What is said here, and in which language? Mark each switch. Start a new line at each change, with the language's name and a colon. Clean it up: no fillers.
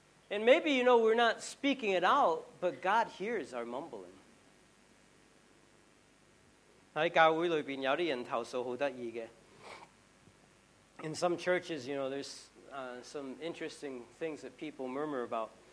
English: And maybe you know we're not speaking it out, but God hears our mumbling.
Cantonese: 喺教会里边有啲人投诉好得意嘅。
English: In some churches, you know, there's some interesting things that people murmur about.